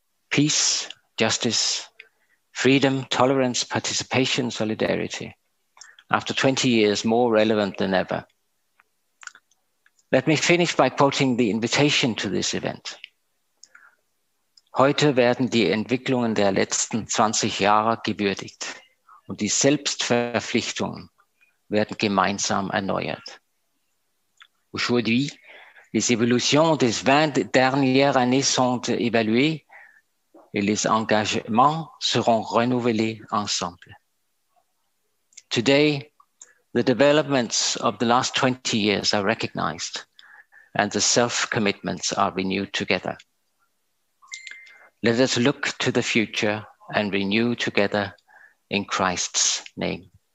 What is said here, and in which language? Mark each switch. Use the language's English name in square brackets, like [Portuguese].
[English] Peace, justice, freedom, tolerance, participation, solidarity. After 20 years, more relevant than ever. Let me finish by quoting the invitation to this event. [German] Heute werden die Entwicklungen der letzten 20 Jahre gewürdigt und die Selbstverpflichtungen werden gemeinsam erneuert. [French] Aujourd'hui, les évolutions des 20 dernières années sont évaluées et les engagements seront renouvelés ensemble. [English] Today, the developments of the last 20 years are recognized and the self-commitments are renewed together. Let us look to the future and renew together in Christ's name.